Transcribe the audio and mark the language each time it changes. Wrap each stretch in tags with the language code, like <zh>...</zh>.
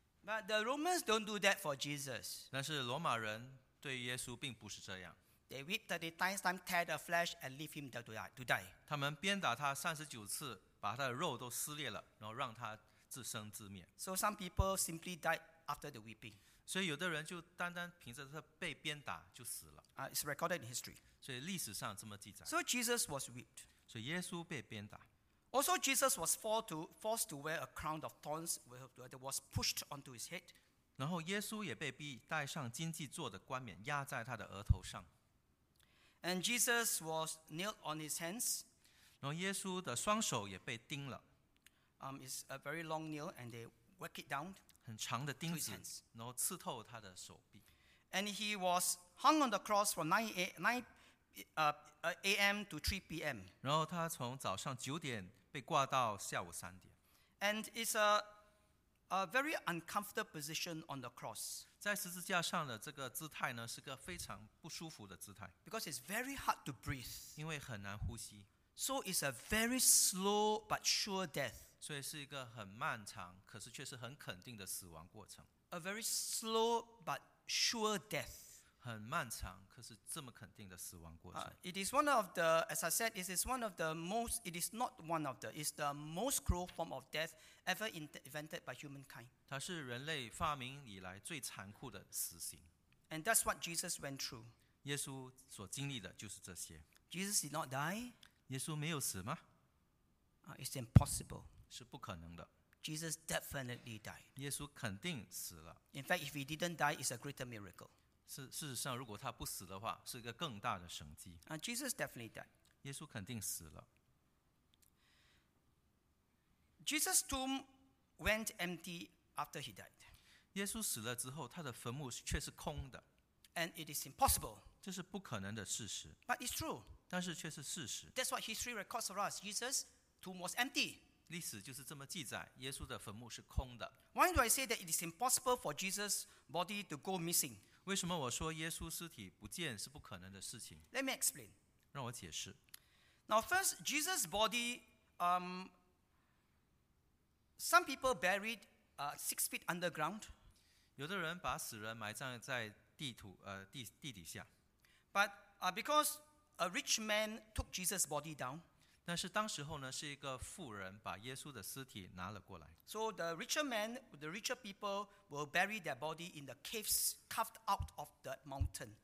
<en>But the Romans don't do that for Jesus.</en> <zh>但是罗马人对耶稣并不是这样。</zh> <en>They whip 39 times, tear the flesh, and leave him to die.</en> <zh>他们鞭打他39次，把他的肉都撕裂了，然后让他自生自灭。</zh> <en>So some people simply died after the whipping.</en> <zh>所以有的人就单单凭着他被鞭打就死了。</zh> <en>It's recorded in history.</en> <zh>所以历史上这么记载。</zh> <en>So Jesus was whipped.</en> <zh>所以耶稣被鞭打。</zh> <en>Also, Jesus was forced to wear a crown of thorns that was pushed onto his head.</en> <zh>然后耶稣也被逼戴上荆棘做的冠冕压在他的额头上。</zh> <en>And Jesus was nailed on his hands.</en> <zh>然后耶稣的双手也被钉了。</zh> <en>It's a very long nail, and they work it down.</en> <zh>很长的钉子，然后刺透他的手臂。</zh> <en>And he was hung on the cross from 9 a.m. to 3 p.m.</en> <zh>然后他从早上九点被挂到下午三点。</zh> <en>And it's a very uncomfortable position on the cross.</en> <zh>在十字架上的这个姿态呢，是个非常不舒服的姿态。</zh> <en>Because it's very hard to breathe.</en> <zh>因为很难呼吸。</zh> <en>So it's a very slow but sure death.</en> <zh>所以是一个很漫长，可是却是很肯定的死亡过程。</zh> <en>A very slow but sure death.</en> <zh>很漫长，可是这么肯定的死亡过程。</zh> <en>It is one of the, as I said, it is one of the most. It is not one of the. It's the most cruel form of death ever invented by humankind.</en> <zh>它是人类发明以来最残酷的死刑。</zh> <en>And that's what Jesus went through.</en> <zh>耶稣所经历的就是这些。</zh> <en>Jesus did not die.</en> <zh>耶稣没有死吗？</zh> <en>It's impossible.</en> <zh>是不可能的。</zh> <en>Jesus definitely died.</en> <zh>耶稣肯定死了。</zh> <en>In fact, if he didn't die, it's a greater miracle.</en> <zh>事实上，如果他不死的话，是一个更大的神迹。</zh> <en>Jesus definitely died.</en> <zh>耶稣肯定死了。</zh> <en>Jesus' tomb went empty after he died.</en> <zh>耶稣死了之后，他的坟墓却是空的。</zh> <en>And it is impossible.</en> <zh>这是不可能的事实。</zh> <en>But it's true.</en> <zh>但是却是事实。</zh> <en>That's what history records for us. Jesus' tomb was empty.</en> <zh>历史就是这么记载，耶稣的坟墓是空的。</zh> <en>Why do I say that it is impossible for Jesus' body to go missing?</en> <zh>为什么我说耶稣尸体不见是不可能的事情？</zh> <en>Let me explain.</en> <zh>让我解释。</zh> <en>Now first, Jesus' body, some people buried 6 feet underground.</en> <zh>有的人把死人埋葬在地底下。</zh> <en>But because a rich man took Jesus' body down.</en> <zh>但是当时候呢，是一个富人把耶稣的尸体拿了过来。</zh> <en>So the richer men, the richer people will bury their body in the caves carved out of the mountain.</en>